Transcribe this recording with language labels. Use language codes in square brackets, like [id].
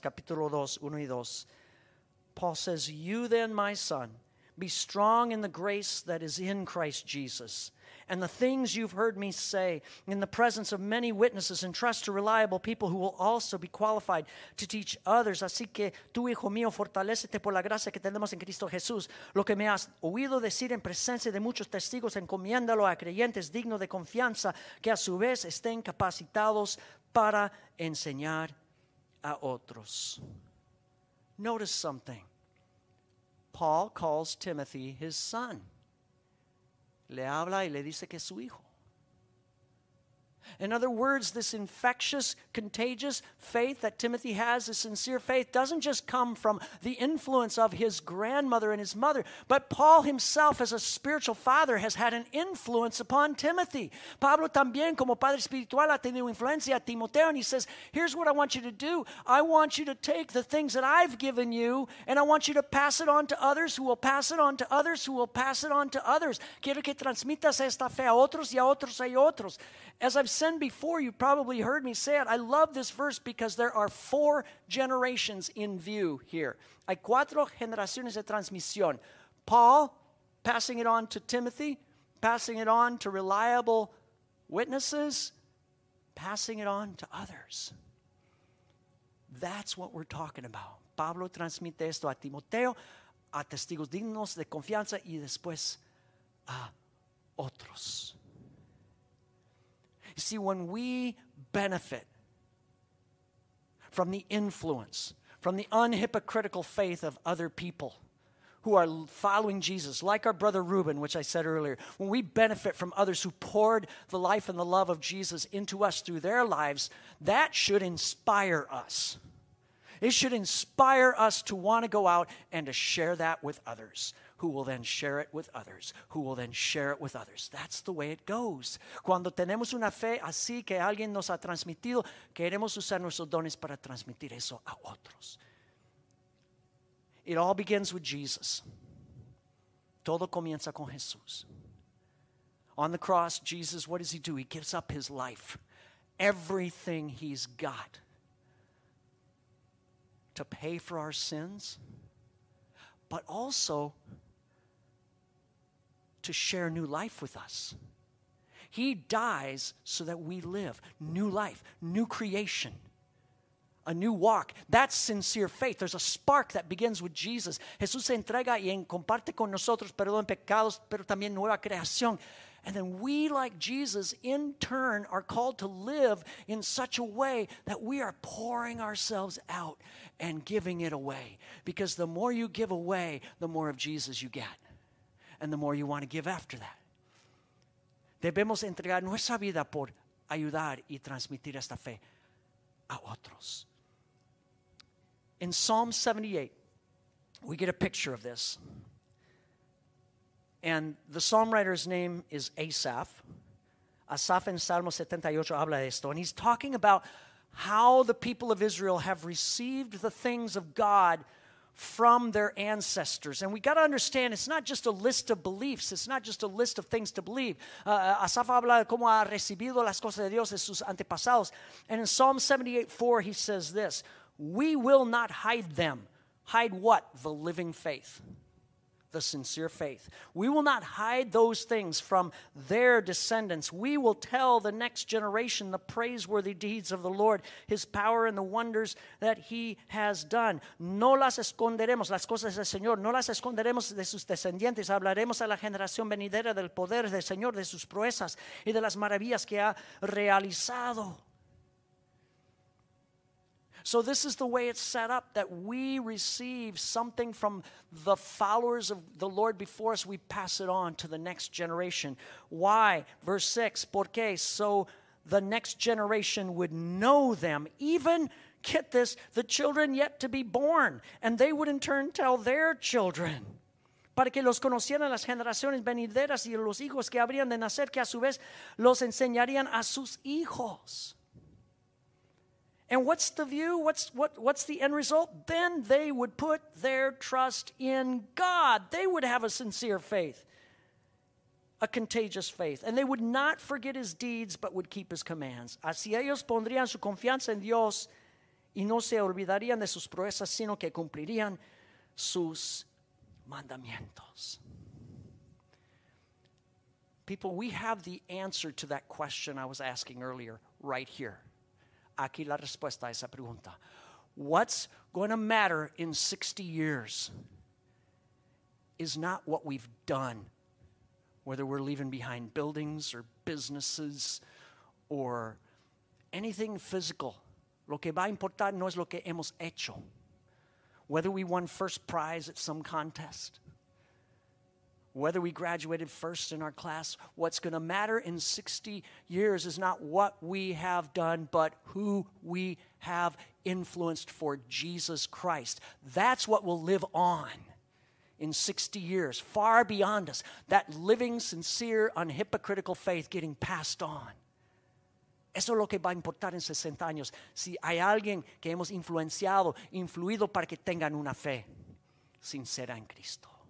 [es] Capítulo 2, 1 y 2. [en] Paul says, you then, my son, be strong in the grace that is in Christ Jesus. And the things you've heard me say in the presence of many witnesses, entrust to reliable people who will also be qualified to teach others. [es] Así que tú, hijo mío, fortalécete por la gracia que tenemos en Cristo Jesús. Lo que me has oído decir en presencia de muchos testigos, encomiéndalo a creyentes dignos de confianza que a su vez estén capacitados para enseñar a otros. [en] Notice something. Paul calls Timothy his son. [es] Le habla y le dice que es su hijo. [en] In other words, this infectious, contagious faith that Timothy has, this sincere faith, doesn't just come from the influence of his grandmother and his mother, but Paul himself, as a spiritual father, has had an influence upon Timothy. [es] Pablo también, como padre espiritual, ha tenido influencia a Timoteo, [en] and he says, here's what I want you to do. I want you to take the things that I've given you, and I want you to pass it on to others who will pass it on to others who will pass it on to others. [es] Quiero que transmitas esta fe a otros y a otros y a otros. [en] As I've said before, you probably heard me say it. I love this verse because there are four generations in view here. [es] Hay cuatro generaciones de transmisión. [en] Paul passing it on to Timothy, passing it on to reliable witnesses, passing it on to others. That's what we're talking about. [es] Pablo transmite esto a Timoteo, a testigos dignos de confianza y después a otros. [en] You see, when we benefit from the influence, from the unhypocritical faith of other people who are following Jesus, like our brother Reuben, which I said earlier, when we benefit from others who poured the life and the love of Jesus into us through their lives, that should inspire us. It should inspire us to want to go out and to share that with others. Who will then share it with others, who will then share it with others. That's the way it goes. [es] Cuando tenemos una fe así que alguien nos ha transmitido, queremos usar nuestros dones para transmitir eso a otros. [en] It all begins with Jesus. [es] Todo comienza con Jesús. [en] On the cross, Jesus, what does he do? He gives up his life, everything he's got, to pay for our sins, but also to share new life with us. He dies so that we live. New life, new creation, a new walk. That's sincere faith. There's a spark that begins with Jesus. [es] Jesús se entrega y comparte con nosotros perdón pecados, pero también nueva creación. [en] And then we, like Jesus, in turn are called to live in such a way that we are pouring ourselves out and giving it away. Because the more you give away, the more of Jesus you get. And the more you want to give after that. [es] Debemos entregar nuestra vida por ayudar y transmitir esta fe a otros. [en] In Psalm 78, we get a picture of this. And the psalm writer's name is Asaph. Asaph in [es] Salmo 78 habla de esto. [en] And he's talking about how the people of Israel have received the things of God from their ancestors. And we got to understand, it's not just a list of beliefs. It's not just a list of things to believe. [es] Asaph habla de cómo ha recibido las cosas de Dios de sus antepasados. [en] And in Psalm 78:4, he says this, "We will not hide them." Hide what? The living faith. The sincere faith. "We will not hide those things from their descendants. We will tell the next generation the praiseworthy deeds of the Lord, his power and the wonders that he has done." [es] No las esconderemos, las cosas del Señor. No las esconderemos de sus descendientes. Hablaremos a la generación venidera del poder del Señor, de sus proezas y de las maravillas que ha realizado. [en] So this is the way it's set up, that we receive something from the followers of the Lord before us. We pass it on to the next generation. Why? Verse 6, porque, so the next generation would know them. Even, get this, the children yet to be born. And they would in turn tell their children. [es] Para que los conocieran las generaciones venideras y los hijos que habrían de nacer, que a su vez los enseñarían a sus hijos. [en] And what's the view? What's the end result? Then they would put their trust in God. They would have a sincere faith, a contagious faith. And they would not forget his deeds, but would keep his commands. [es] Así ellos pondrían su confianza en Dios y no se olvidarían de sus proezas, sino que cumplirían sus mandamientos. [en] People, we have the answer to that question I was asking earlier right here. [es] Aquí la respuesta a esa pregunta. [en] What's going to matter in 60 years is not what we've done, whether we're leaving behind buildings or businesses or anything physical. [es] Lo que va a importar no es lo que hemos hecho. [en] Whether we won first prize at some contest, whether we graduated first in our class, what's going to matter in 60 years is not what we have done, but who we have influenced for Jesus Christ. That's what will live on in 60 years, far beyond us. That living, sincere, unhypocritical faith getting passed on. [es] Eso es lo que va a importar en 60 años. Si hay alguien que hemos influenciado, influido para que tengan una fe sincera en Cristo.